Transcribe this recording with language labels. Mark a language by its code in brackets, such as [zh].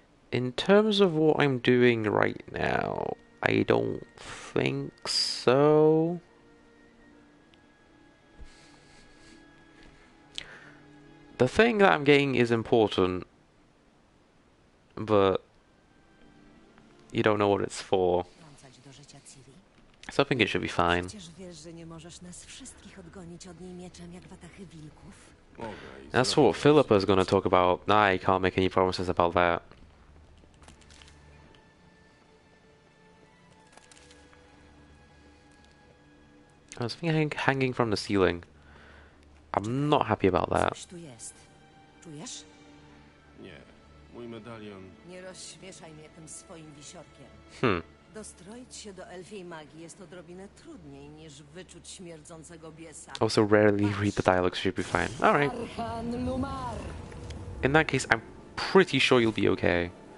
[en] In terms of what I'm doing right now, I don't think so. The thing that I'm getting is important, but you don't know what it's for. So I think it should be fine. [pl] Przecież wiesz, że nie możesz nas wszystkich odgonić od niej mieczem jak watachy wilków. [en] That's what Philippa is going to talk about. Nah, he can't make any promises about that. There's something hanging from the ceiling. I'm not happy about that. [pl] Czujesz? Nie, mój medalion. Nie rozśmieszaj mnie tym swoim wisiorkiem. Dostroić się do elfiej magii jest odrobinę trudniej niż wyczuć śmierdzącego biesa. [en] Also rarely read the dialogue, so you'll be fine. All right. In that case, I'm pretty sure you'll be okay.